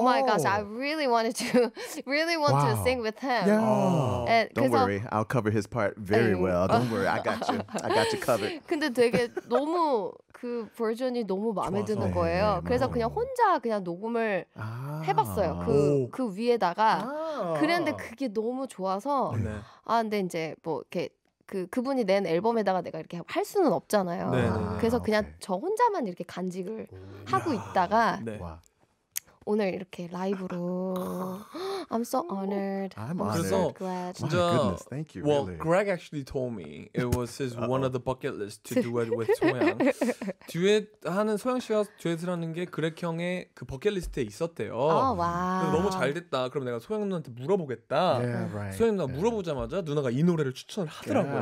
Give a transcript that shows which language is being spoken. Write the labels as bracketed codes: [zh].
[en] oh my gosh, I really wanted to, really want wow. to sing with him. Yeah. Oh. And, don't worry, I'll cover his part very well. Don't worry, I got you. I got you covered. [ko] 근데 되게 너무 그 버전이 너무 마음에 드는 거예요. 그래서 그냥 혼자 그냥 녹음을 해봤어요. 그 위에다가. 그런데 그게 너무 좋아서. 아 근데 이제 뭐 이렇게. 그분이 낸 앨범에다가 내가 이렇게 할 수는 없잖아요. 네네. 그래서 그냥 오케이. 저 혼자만 이렇게 간직을 하고 있다가 네. 오늘 이렇게 라이브로 [en] I'm so honored. I'm honored. So glad. My goodness, thank you. Well, really. Greg actually told me it was his one of the bucket list to duet with Soyang. [ko] 듀엣하는 소영 씨가 듀엣이라는 게 그렉 형의 그 버킷 리스트에 있었대요. 아, 와. 너무 잘 됐다. 그럼 내가 소영 누나한테 물어보겠다. [en] Yeah, right. [ko] 소영 누나 물어보자마자 누나가 이 노래를 추천을 하더라고요.